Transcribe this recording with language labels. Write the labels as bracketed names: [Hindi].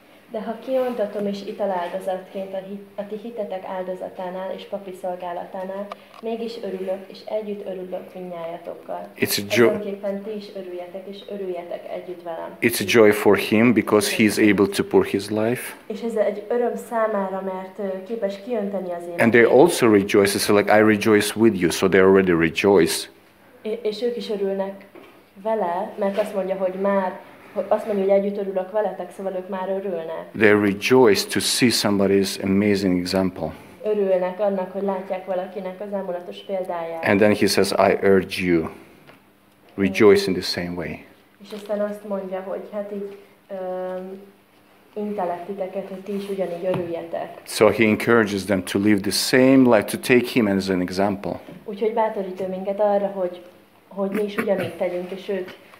[Hungarian] De ha kiontatom is italáldozatként a ti hitetek áldozatánál és papi szolgálatánál, mégis örülök, és együtt örülök mindnyájatokkal. Ezenképpen ti is örüljetek, és örüljetek együtt velem. [English] It's a joy for him, because he is able to pour his life. [Hungarian] És ez egy öröm számára, mert képes kiönteni az életét. [English] And they also rejoice, so like, I rejoice with you, so they already rejoice. [Hungarian] És ők is örülnek vele, mert azt mondja, hogy már azt mondja, hogy együtt örülök veletek, szóval ők már örülnek. [English] They rejoice to see somebody's amazing example. [Hungarian] Örülnek annak, hogy látják valakinek az ámulatos példáját. [English] And then he says, I urge you, rejoice in the same way. [Hungarian] És aztán azt mondja, hogy hát így intelek titeket, hogy ti is ugyanígy örüljetek. [English] So he encourages them to live the same life, to take him as an example. [Hungarian] Úgyhogy bátorít ő minket arra, hogy mi is ugyanígy tegyünk, és őt